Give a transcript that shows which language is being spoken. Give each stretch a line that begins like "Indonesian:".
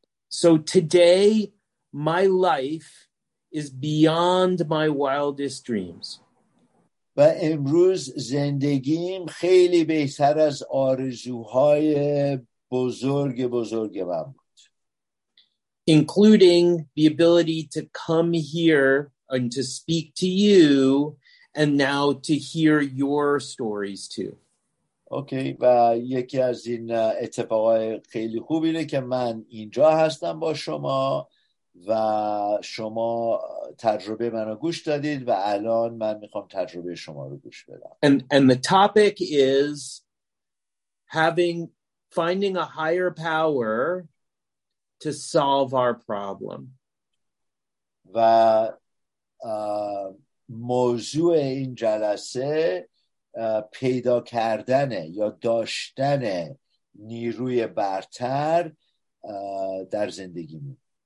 English: So today my life is beyond my wildest dreams.
Persian: و امروز زندگیم خیلی بهتر از آرزوهای بزرگ بزرگ من بود.
English: Including the ability to come here and to speak to you and now to hear your stories too.
Persian: Okay, و یکی از این اتفاقای خیلی خوب اینه که من اینجا هستم با شما و شما تجربه منو گوش دادید و الان من میخوام تجربه شما رو گوش بدم.
English: And the topic is finding a higher power to solve our problem.
Persian: و موضوع این جلسه پیدا کردن یا داشتن نیروی برتر در زندگیمون.